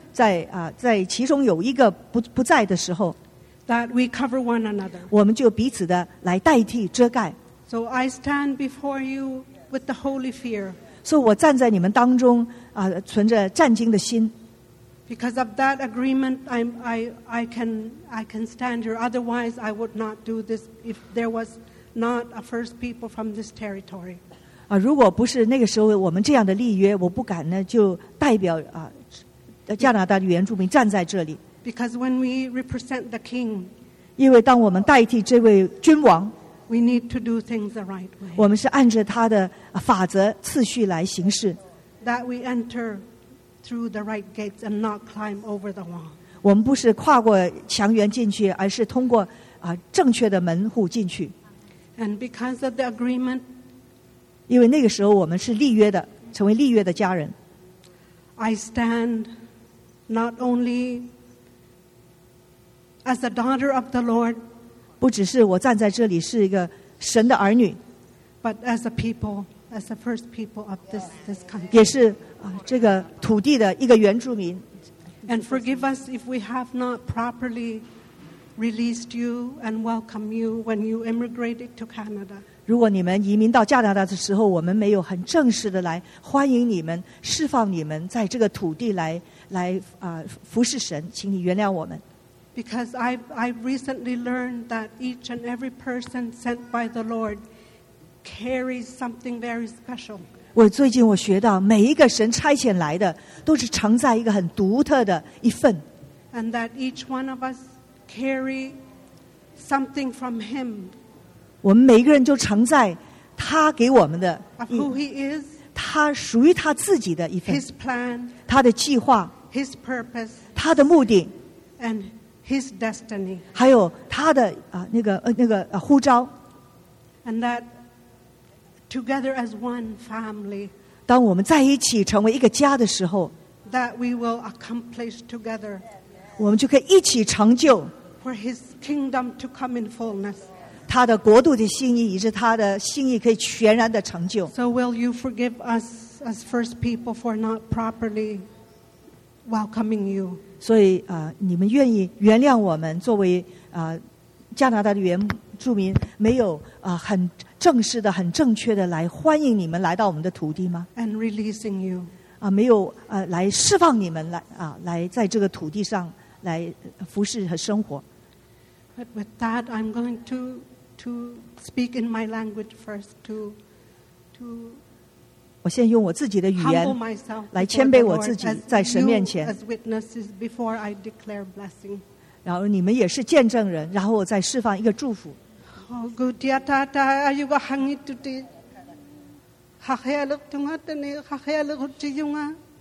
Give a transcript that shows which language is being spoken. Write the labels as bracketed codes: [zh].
[zh] 在其中有一个不在的时候 [en] ，that we cover one another, [zh] 我们就彼此的来代替遮盖。 [en] So I stand before you. With the holy fear. So [zh] 我站在你们当中存着战惊的心。 [en] Because of that agreement, I can stand here. Otherwise, I would not do this if there was not a first people from this territory. [zh] 如果不是那个时候我们这样的立约，我不敢呢就代表加拿大的原住民站在这里。 [en] Because when we represent the king, [zh] 因为当我们代替这位君王。 [en] We need to do things the right way. [zh] 我们是按着他的法则次序来行事。 [en] That we enter through the right gates and not climb over the wall. [zh] 我们不是跨过墙垣进去，而是通过正确的门户进去。 [en] And because of the agreement, [zh] 因为那个时候我们是立约的，成为立约的家人。 [en] I stand not only as a daughter of the Lord. [zh] 不只是我站在这里是一个神的儿女 [en] but as a people as the first people of this country [zh] 也是这个土地的一个原住民 [en] and forgive us if we have not properly released you and welcome you when you immigrated to Canada [zh] 如果你们移民到加拿大的时候，我们没有很正式的来欢迎你们，释放你们在这个土地来服侍神，请你原谅我们。 [en] Because I recently learned that each and every person sent by the Lord carries something very special. [zh] 我最近我学到，每一个神差遣来的都是承载一个很独特的一份。 [en] And that each one of us carry something from Him. [zh] 我们每一个人就承载他给我们的 [en] of who He is, [zh] 他属于他自己的一份 [en] His plan, [zh] 他的计划 [en] His purpose, [zh] 他的目的 [en] and His destiny, [zh] 还有他的那个呼召 [en] and that together as one family, [zh] 当我们在一起成为一个家的时候 [en] that we will accomplish together, [zh] 我们就可以一起成就 [en] for His kingdom to come in fullness. [zh] 他的国度的心意，以致他的心意可以全然的成就。 [en] So will you forgive us as first people for not properly welcoming you? [zh] 所以你们愿意原谅我们作为加拿大的原住民，没有很正式的、很正确的来欢迎你们来到我们的土地吗 [en] ？And releasing you [zh] 没有来释放你们来在这个土地上来服侍和生活。 [en] But with that, I'm going to speak in my language first. To [zh] 我先用我自己的语言来谦卑我自己，在神面前。 [en] As witnesses before I declare blessing. [zh] 然后你们也是见证人，然后我再释放一个祝福。 Oh, good ya tata, ayu ga hangi tuti. Hakhyalak tunga tani, hakhyalak uchi yunga.